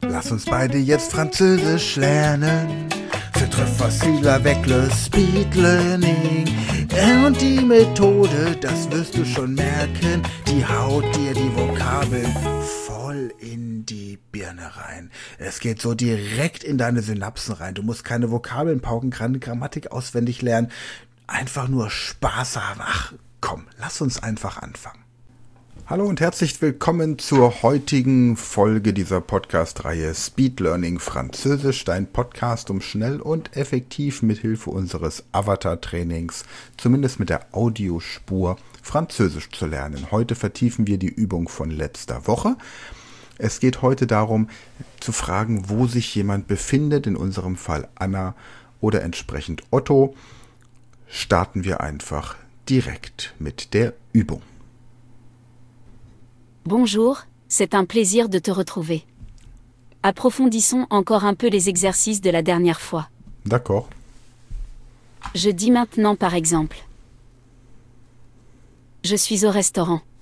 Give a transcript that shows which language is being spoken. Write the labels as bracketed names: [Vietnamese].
[German] lass uns beide jetzt Französisch lernen. [French] C'est très facile avec le speed learning. [German] Und die Methode, das wirst du schon merken, die haut dir die Vokabeln voll in die Birne rein. Es geht so direkt in deine Synapsen rein. Du musst keine Vokabeln pauken, keine Grammatik auswendig lernen. Einfach nur Spaß haben. Ach komm, lass uns einfach anfangen. Hallo und herzlich willkommen zur heutigen Folge dieser Podcast-Reihe Speed Learning Französisch, dein Podcast, um schnell und effektiv mithilfe unseres Avatar-Trainings, zumindest mit der Audiospur, Französisch zu lernen. Heute vertiefen wir die Übung von letzter Woche. Es geht heute darum, zu fragen, wo sich jemand befindet, in unserem Fall Anna oder entsprechend Otto. Starten wir einfach direkt mit der Übung. [French] Bonjour, c'est un plaisir de te retrouver. Approfondissons encore un peu les exercices de la dernière fois. D'accord. Je dis maintenant par exemple. Je suis au restaurant.